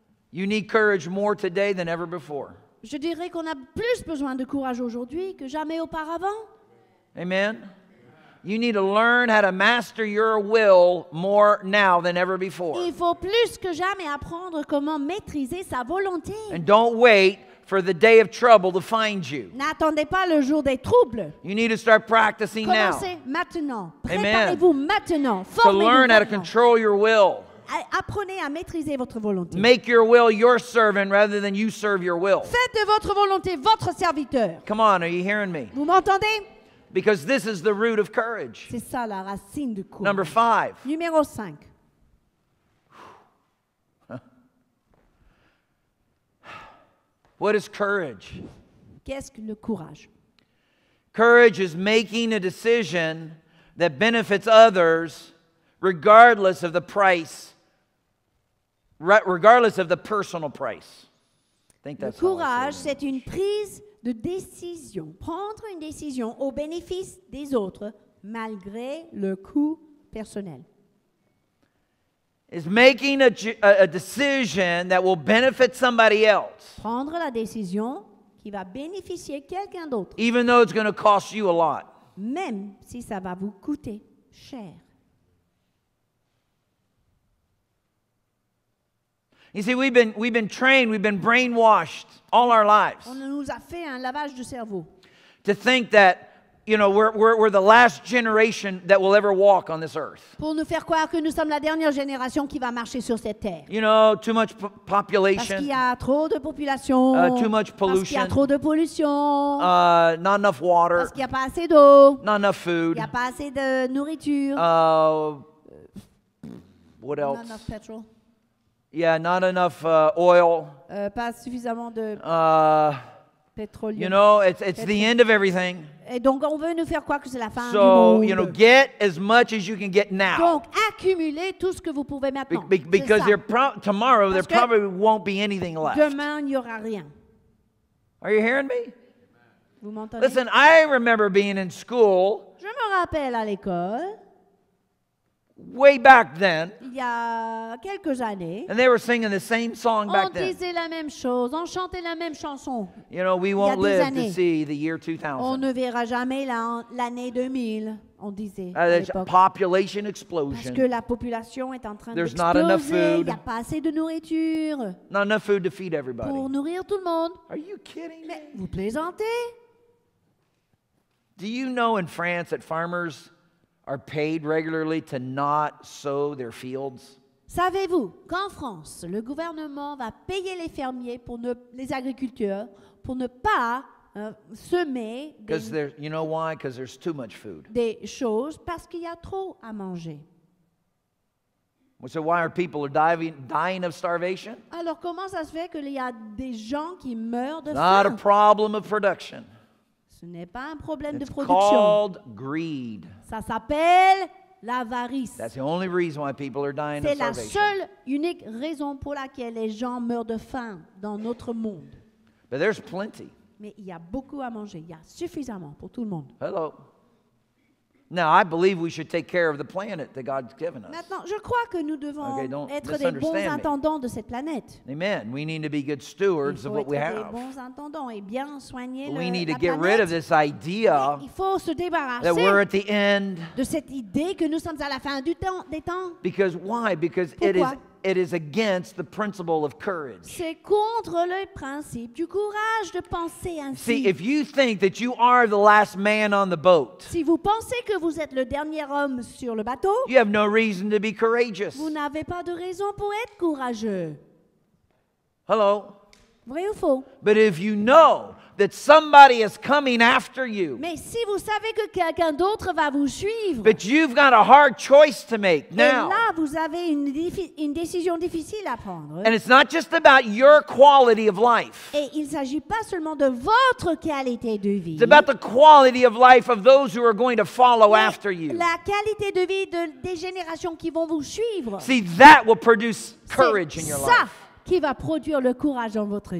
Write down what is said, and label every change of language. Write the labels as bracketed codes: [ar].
[en] You need courage more today than ever before. [fr] Je dirais qu'on a plus besoin de courage aujourd'hui que jamais auparavant. [en] Amen. You need to learn how to master your will more now than ever before. [fr] Il faut plus que jamais apprendre comment maîtriser sa volonté. [en] And don't wait for the day of trouble to find you. [fr] N'attendez pas le jour des troubles. [en] You need to start practicing [fr] commencez [en] now. [fr] Maintenant. Préparez-vous [en] amen. [fr] Maintenant. [en] To learn [fr] maintenant. [en] How to control your will. [fr] Apprenez à maîtriser votre volonté. [en] Make your will your servant rather than you serve your will. [fr] Faites de votre volonté votre serviteur. [en] Come on, are you hearing me? [fr] Vous m'entendez? [en] Because this is the root of courage. [fr] C'est ça la racine du courage. [en] Number five. [fr] Numéro 5. [en] What is courage? [fr] Qu'est-ce que le courage? [en] Courage is making a decision that benefits others regardless of the price, regardless of the personal price. I think that's [fr] le courage, c'est une prise de décision, prendre une décision au bénéfice des autres malgré le coût personnel. [en] Is making a decision that will benefit somebody else. [fr] Prendre la décision qui va bénéficier quelqu'un d'autre. [en] Even though it's going to cost you a lot. [fr] Même si ça va vous coûter cher. [en] You see, we've been trained, we've been brainwashed all our lives. [fr] On nous a fait un lavage de cerveau. [en] To think that we're the last generation that will ever walk on this earth. [fr] Pour nous faire croire que nous sommes la dernière génération qui va marcher sur cette terre. [en] You know, too much population. [fr] Parce qu'il y a trop de population. [en] Too much pollution. [fr] Parce qu'il y a trop de pollution. [en] Not enough water. [fr] Parce qu'il y a pas assez d'eau. [en] Not enough food. [fr] Il y a pas assez de nourriture. [en] What else? Not enough petrol. Yeah, not enough oil. [fr] Pas suffisamment de pétrole. [en] You know, it's the end of everything. [fr] Et donc, on veut nous faire croire que c'est la fin [en] so, [fr] du monde. [en] You know, get as much as you can get now. [fr] Donc, accumulez tout ce que vous pouvez maintenant. [en] Because there tomorrow, [fr] parce [en] there probably won't be anything left. [fr] Demain, il n'y aura rien. [en] Are you hearing me? [fr] Vous m'entendez? [en] Listen, I remember being in school. [fr] Je me rappelle à l'école. [en] Way back then. [fr] Il y a quelques années. [en] And they were singing the same song back then. [fr] On disait la même chose, on chantait la même chanson. [en] You know, we won't live to see the year 2000. [fr] On ne verra jamais l'année 2000, on disait. [en] There's a population explosion. [fr] Parce que la population est en train d'exploser. [en] There's not enough food. [fr] Il n'y a pas assez de nourriture. [en] Not enough food to feed everybody. [fr] Pour nourrir tout le monde. [en] Are you kidding me? [fr] Mais vous plaisantez? [en] Do you know in France that farmers are paid regularly to not sow their fields? [fr] Savez-vous qu'en France, le gouvernement va payer les fermiers pour ne les agriculteurs pour ne pas semer des [en] you know why? Because there's too much food. [fr] Des choses parce qu'il y a trop à manger. [en] Well, so why are people dying of starvation? [fr] Alors comment ça se fait qu'il y a des gens qui meurent de faim? [en] Not a problem of production. [fr] Ce n'est pas un problème [en] it's [fr] de production. [en] Greed. [fr] Ça s'appelle l'avarice. [en] That's the only reason why people are dying [fr] c'est [en] of starvation. [fr] La seule unique raison pour laquelle les gens meurent de faim dans notre monde. [en] But there's plenty. [fr] Mais il y a beaucoup à manger. Il y a suffisamment pour tout le monde. [en] Hello. Now, I believe we should take care of the planet that God's given us. [fr] Maintenant, je crois que nous devons être des bons intendants de cette planète. [en] Amen. We need to be good stewards of what we have. [fr] Il faut être des bons intendants et bien soigner la planète. [en] We need to get rid of this idea that we're at the end. [fr] De cette idée que nous sommes à la fin du temps, des temps. [en] Because why? Because it is against the principle of courage. [fr] C'est contre le principe du courage de penser ainsi. [en] See, if you think that you are the last man on the boat, [fr] si vous pensez que vous êtes le dernier homme sur le bateau, [en] you have no reason to be courageous. [fr] Vous n'avez pas de raison pour être courageux. [en] Hello. [fr] Vrai ou faux? [en] But if you know that somebody is coming after you. [fr] Mais si vous savez que quelqu'un d'autre va vous suivre. [en] But you've got a hard choice to make now. [fr] Et là, vous avez une décision difficile à prendre. [en] And it's not just about your quality of life. [fr] Et il s'agit pas seulement de votre qualité de vie. [en] It's about the quality of life of those who are going to follow after you. [fr] La qualité de vie des générations qui vont vous suivre. [en] See, that will produce courage in your life. [fr] C'est ça qui va produire le courage dans votre vie.